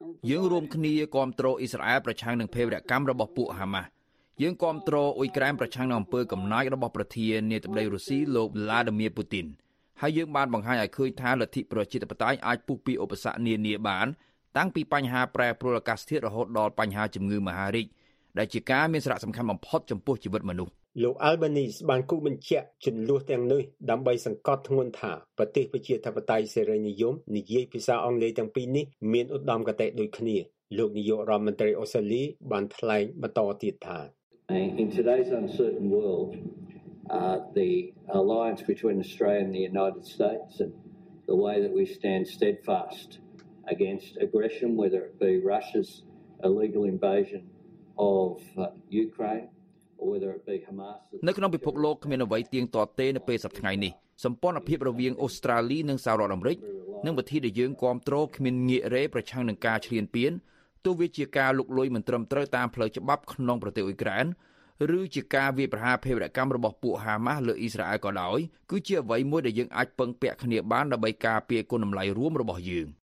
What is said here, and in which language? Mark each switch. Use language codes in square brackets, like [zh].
[km] យើងរួមគ្នាគាំទ្រអ៊ីស្រាអែលប្រឆាំងនឹងភេរវកម្មរបស់ពួកហាម៉ាស់យើងគាំទ្រអ៊ុយក្រែនប្រឆាំងនឹងអំពើកំណាចរបស់ប្រធាននាយកទំនៃរុស្ស៊ីលោកវ្លាឌីមៀពូទីនហើយយើងបានបង្ហាញឲ្យឃើញថាលទ្ធិប្រជាធិបតេយ្យអាចពុះពីឧបសគ្គនានាបានតាំងពីបញ្ហាប្រែប្រួលអាកាសធាតុរហូតដល់បញ្ហាជំងឺមហារីកដែលជាការមានសារៈសំខាន់បំផុតចំពោះជីវិតមនុស្ស លោក Albanese បានគូបញ្ជាក់ចំនួនទាំងនេះដើម្បីសង្កត់ធ្ងន់ថាប្រទេសប្រជាធិបតេយ្យសេរីនិយមនិយាយភាសាអង់គ្លេសទាំងពីរនេះមានឧត្តមគតិដូចគ្នាលោកនាយករដ្ឋមន្ត្រីអូស្ត្រាលីបានថ្លែងបន្តទៀតថា [en] In today's uncertain world the alliance between Australia and the United States and the way that we stand steadfast against aggression whether it be Russia's illegal invasion of Ukraine. [km] នៅក្នុងពិភពលោកគ្មានអ្វីទៀងទាត់ទេនៅពេលសប្តាហ៍នេះសម្ព័ន្ធភាពរវាងអូស្ត្រាលីនិងសហរដ្ឋអាមេរិកនិងវិធីដែលយើងគ្រប់គ្រងគ្មានងាករេប្រឆាំងនឹងការឈ្លានពានទោះវាជាការលុកលុយមិនត្រឹមត្រូវតាមផ្លូវច្បាប់ក្នុងប្រទេសអ៊ុយក្រែនឬជាការវាយប្រហារភេរវកម្មរបស់ពួកហាម៉ាស់លើអ៊ីស្រាអែលក៏ដោយគឺជាអ្វីមួយដែលយើងអាចពឹងពាក់គ្នាបានដើម្បីការពារគុណតម្លៃរួមរបស់យើង